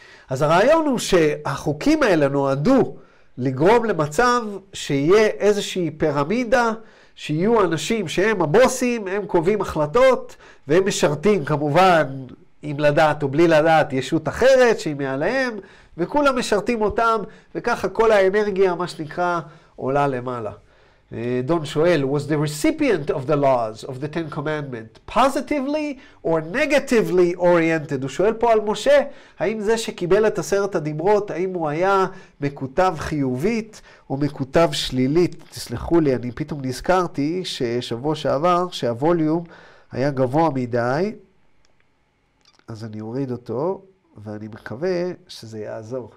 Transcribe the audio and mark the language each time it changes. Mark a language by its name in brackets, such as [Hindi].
[Hebrew] אז הרעיון הוא שהחוקים האלה נועדו לגרום למצב שיהיה איזושהי פירמידה, שיהיו אנשים שהם הבוסים, הם קובעים החלטות, והם משרתים כמובן, אם לדעת או בלי לדעת, ישות אחרת שהיא מעליהם, וכולם משרתים אותם, וככה כל האנרגיה, מה שנקרא, עולה למעלה. דון שואל, [English] was the recipient of the laws, of the Ten Commandments, positively or negatively oriented? [Hebrew] הוא שואל פה על משה, האם זה שקיבל את עשרת הדיברות, האם הוא היה מקוטב חיובית או מקוטב שלילית? תסלחו לי, אני פתאום נזכרתי ששבוע שעבר, שהווליום היה גבוה מדי, אז אני אוריד אותו, ואני מקווה שזה יעזור.